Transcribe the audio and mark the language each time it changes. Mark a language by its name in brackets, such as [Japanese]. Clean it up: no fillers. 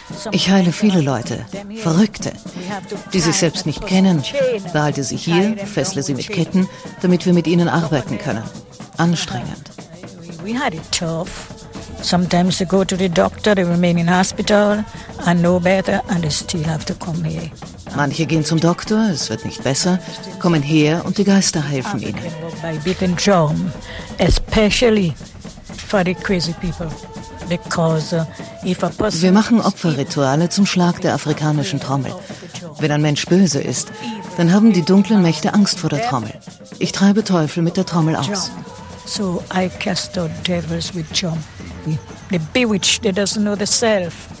[German] Ich heile viele Leute, Verrückte, die sich selbst nicht kennen. Behalte sie hier, fessle sie mit Ketten, damit wir mit ihnen arbeiten können. Anstrengend. [English] We had it tough. Sometimes they go to the doctor, they remain in hospital and no better, and they still have to come here. [German] Manche gehen zum Doktor, es wird nicht besser, kommen her und die Geister helfen ihnen. [English] By bitten drum, especially for the crazy people. [German] Wir machen Opferrituale zum Schlag der afrikanischen Trommel. Wenn ein Mensch böse ist, dann haben die dunklen Mächte Angst vor der Trommel. Ich treibe Teufel mit der Trommel aus. [English] So I cast out devils with drum. They bewitched, they doesn't know the self.